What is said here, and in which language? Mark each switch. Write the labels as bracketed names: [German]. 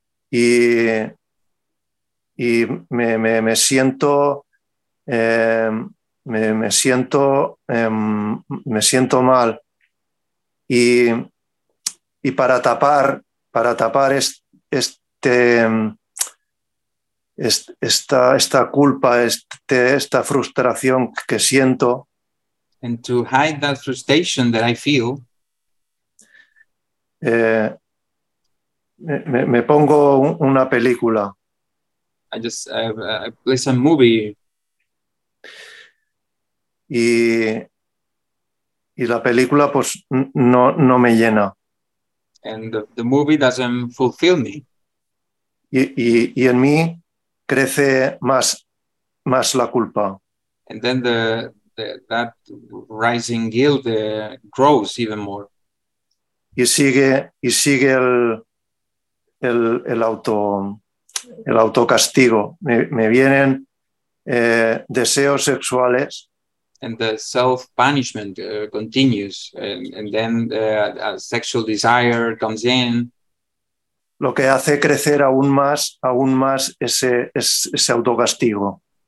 [Spanish] Y me siento me siento mal y para tapar esta culpa, esta frustración que siento, [English] and to hide that frustration that I feel, [Spanish] me pongo una película. [English] I play some movie. [Spanish] Y la película pues no me llena. [English] And the movie doesn't fulfill me. [Spanish] Y en mí crece más la culpa. [English] And then that rising guilt grows even more. [Spanish] Y sigue el autocastigo. Me vienen deseos sexuales. [English] and the self-punishment continues, and then a sexual desire comes in. [Spanish] Lo que hace crecer aún más ese autocastigo.